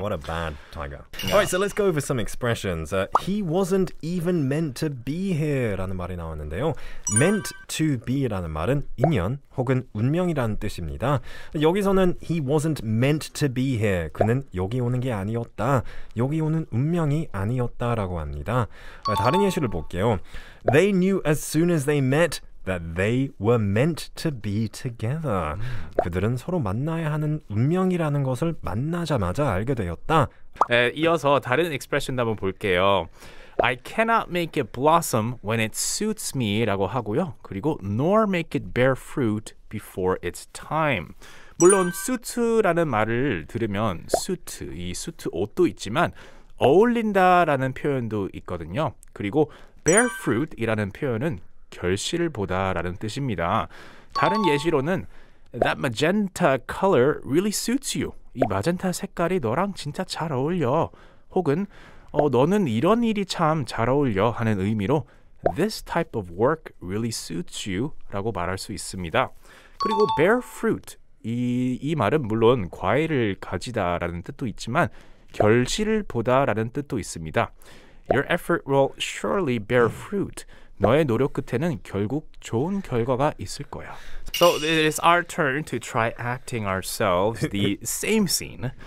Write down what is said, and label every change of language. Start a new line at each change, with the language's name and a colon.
English: What a bad tiger. Yeah. Alright, so let's go over some expressions. He wasn't even meant to be here라는
Korean: 말이 나왔는데요. Meant to be라는 말은 인연 혹은 운명이라는 뜻입니다. 여기서는
English: he wasn't meant to be here.
Korean: 그는 여기 오는 게 아니었다. 여기 오는 운명이 아니었다라고 합니다. 다른 예시를 볼게요.
English: They knew as soon as they met that they were meant to be together.
Korean: 그들은 서로 만나야 하는 운명이라는 것을 만나자마자 알게 되었다. 에, 이어서 다른 expression 한번 볼게요.
English: I cannot make it blossom when it suits me
Korean: 라고 하고요. 그리고
English: nor make it bear fruit before its time.
Korean: 물론 suit라는 말을 들으면 suit, 이 suit 옷도 있지만 어울린다라는 표현도 있거든요. 그리고 bear fruit이라는 표현은 결실을 보다라는 뜻입니다. 다른 예시로는
English: That magenta color really suits you.
Korean: 이 마젠타 색깔이 너랑 진짜 잘 어울려. 혹은 너는 이런 일이 참 잘 어울려 하는 의미로
English: This type of work really suits you
Korean: 라고 말할 수 있습니다. 그리고 bear fruit 이 말은 물론 과일을 가지다 라는 뜻도 있지만 결실을 보다라는 뜻도 있습니다.
English: Your effort will surely bear fruit.
Korean: 너의 노력 끝에는 결국 좋은 결과가 있을 거야.
English: So it is our turn to try acting ourselves the same scene.